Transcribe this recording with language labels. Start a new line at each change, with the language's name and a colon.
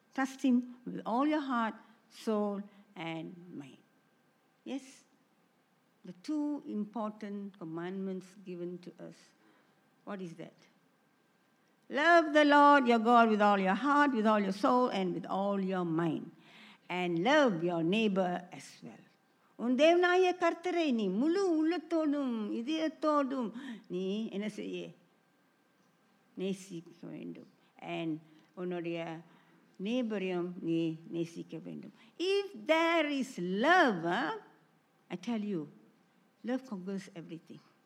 English: Trust Him with all your heart, soul, and mind. Yes? The two important commandments given to us. What is that? Love the Lord your God with all your heart, with all your soul, and with all your mind. And love your neighbor as well.
Tamil: உன் தேவனாய கர்த்தரை நீ முழு உள்ளத்தோடும் இதயத்தோடும் நீ என்ன செய்ய நேசிக்க வேண்டும். And உன்னுடைய நேபரையும் நீ நேசிக்க வேண்டும்.
English: If there is love, I tell you, love conquers everything.